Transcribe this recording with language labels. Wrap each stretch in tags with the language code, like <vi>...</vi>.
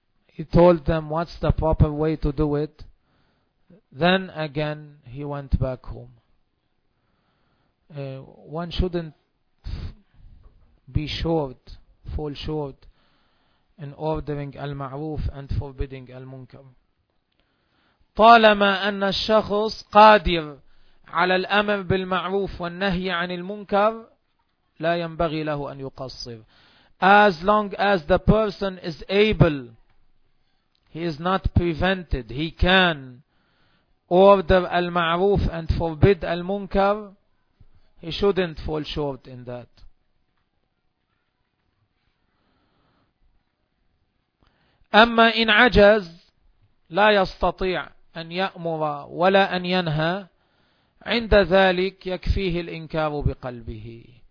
<en>He told them what's the proper way to do it. Then again, he went back home. One shouldn't be short, fall short in ordering al-ma'roof and forbidding al-munkar.</en> <ar>طالما أن الشخص قادر على الأمر بالمعروف والنهي عن المنكر لا ينبغي له أن يقصر.</ar> <en>As long as the person is able, he is not prevented, he can order al-ma'roof and forbid al-munkar, he shouldn't fall short in that.</en> <ar>أما إن عجز لا يستطيع أن يأمر ولا أن ينهى عند ذلك يكفيه الإنكار بقلبه.</ar>